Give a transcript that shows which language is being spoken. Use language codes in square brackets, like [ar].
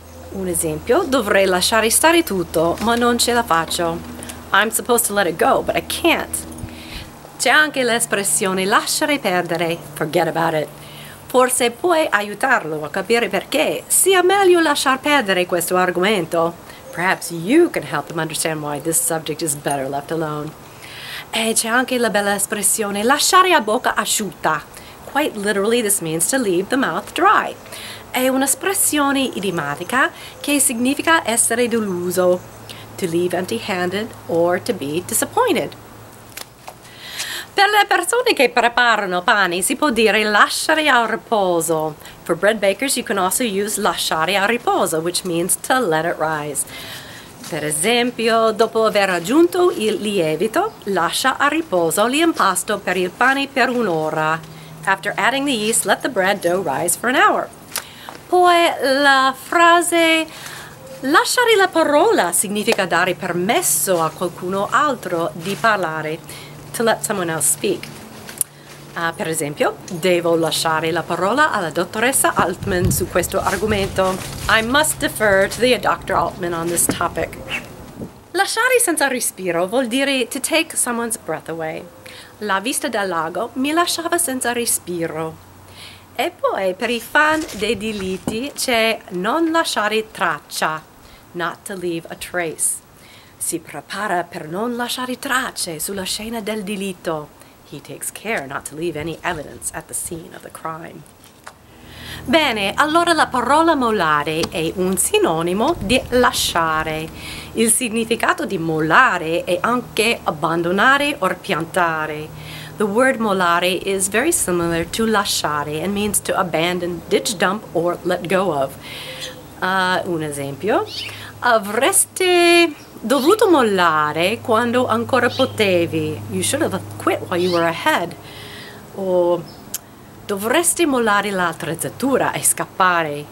[it] Un esempio, dovrei lasciare stare tutto, ma non ce la faccio. [en] I'm supposed to let it go, but I can't. [it] C'è anche l'espressione lasciare perdere, [en] forget about it. [it] Forse puoi aiutarlo a capire perché sia meglio lasciar perdere questo argomento. [en] Perhaps you can help him understand why this subject is better left alone. [it] E c'è anche la bella espressione lasciare a bocca asciutta. [en] Quite literally, this means to leave the mouth dry. [it] È un'espressione idiomatica che significa essere deluso, [en] to leave empty-handed or to be disappointed. [it] Per le persone che preparano pani si può dire lasciare a riposo. [en] For bread bakers you can also use lasciare a riposo, which means to let it rise. [it] Per esempio, dopo aver aggiunto il lievito, lascia a riposo l'impasto per il pane per un'ora. [en] After adding the yeast, let the bread dough rise for an hour. [it] Poi la frase lasciare la parola significa dare permesso a qualcuno altro di parlare. [en] To let someone else speak. [it] Per esempio, devo lasciare la parola alla dottoressa Altman su questo argomento. [en] I must defer to the Dr. Altman on this topic. [it] Lasciare senza respiro vuol dire [en] to take someone's breath away. [it] la vista dal lago mi lasciava senza respiro. E poi, per I fan dei diliti, c'è non lasciare traccia, [en] not to leave a trace. [it] Si prepara per non lasciare tracce sulla scena del delitto. [en] He takes care not to leave any evidence at the scene of the crime. [it] Bene, allora la parola mollare è un sinonimo di lasciare. Il significato di mollare è anche abbandonare o piantare. [en] The word mollare is very similar to lasciare and means to abandon, ditch, dump, or let go of. [it] Un esempio. Avreste dovuto mollare quando ancora potevi. [en] You should have quit while you were ahead. [it] O dovresti mollare l'attrezzatura e scappare.